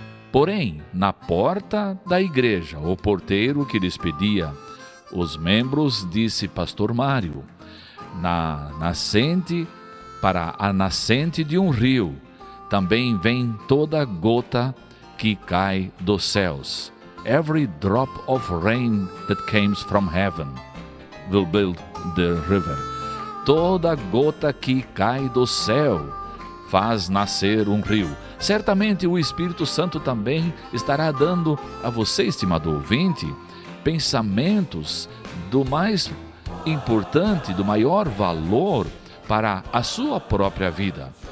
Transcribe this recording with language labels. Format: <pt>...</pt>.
<pt>Porém, na porta da igreja, o porteiro que despedia os membros disse: pastor Mário, na nascente para a nascente de um rio, também vem toda gota que cai dos céus.</pt> <en>Every drop of rain that comes from heaven will build the river.</en> <pt>Toda gota que cai do céu faz nascer um rio. Certamente o Espírito Santo também estará dando a você, estimado ouvinte, pensamentos do mais importante, do maior valor para a sua própria vida.</pt>